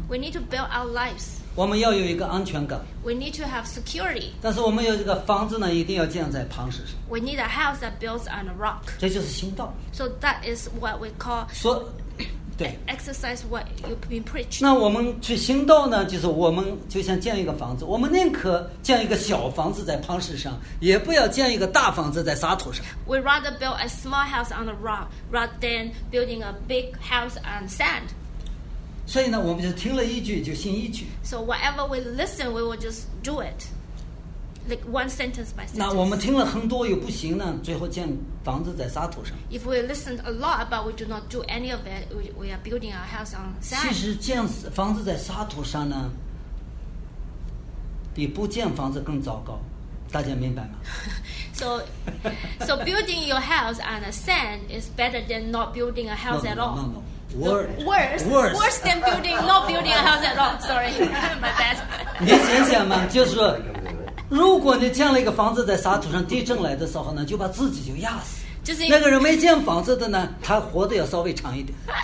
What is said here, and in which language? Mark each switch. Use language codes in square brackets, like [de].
[en] We need to build our lives. [zh] 我们要有一个安全感。 [en] We need to have security. [zh] 但是我们要这个房子呢，一定要建在磐石上。 [en] We need a house that builds on a rock. [zh] 这就是行道。 [en] So that is what we call. [zh] 说， [en] exercise what you've been preached. [zh] 那我们去行道呢，就是我们就像建一个房子，我们宁可建一个小房子在磐石上，也不要建一个大房子在沙土上。 [en] We rather build a small house on the rock rather than building a big house on sand. [zh] 所以呢，我们就听了一句就信一句。 [en] So whatever we listen, we will just do it, like one sentence by sentence. [zh] 那我们听了很多又不行呢，最后建房子在沙土上。 [en] If we listened a lot but we do not do any of it, we are building our house on sand. [zh] 其实建房子在沙土上呢，比不建房子更糟糕，大家明白吗？ [en] So building your house on a sand is better than not building a house at all. No. Worse than not building a house at all. Sorry, my bad. [zh] 你想想嘛，就是。如果你建了一个房子在沙土上，地震来的时候呢，就把自己就压死。就是那个人没建房子的呢，他活得要稍微长一点。